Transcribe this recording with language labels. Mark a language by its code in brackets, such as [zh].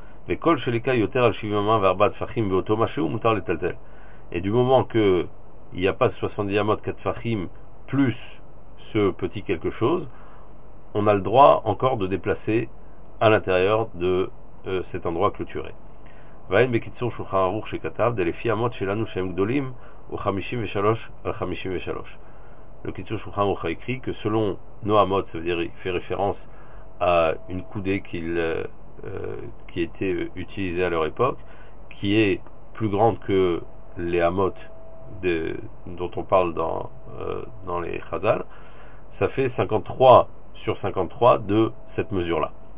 [fr] Et du moment qu'il n'y a pas 70 amot 4 fachim plus ce petit quelque chose, on a le droit encore de déplacer à l'intérieur de cet endroit clôturé. [he] ואין בקיצור שולחן ערוך שכתב, דלפי אמות שלנו שהם גדולים, הוא 53/53. [fr] Le Kitsur Shulchan Aruch a écrit que selon Noah Mot, ça veut dire, il fait référence à une coudée qui était utilisée à leur époque, qui est plus grande que les Amot dont on parle dans les Chazal, ça fait 53/53 de cette mesure-là.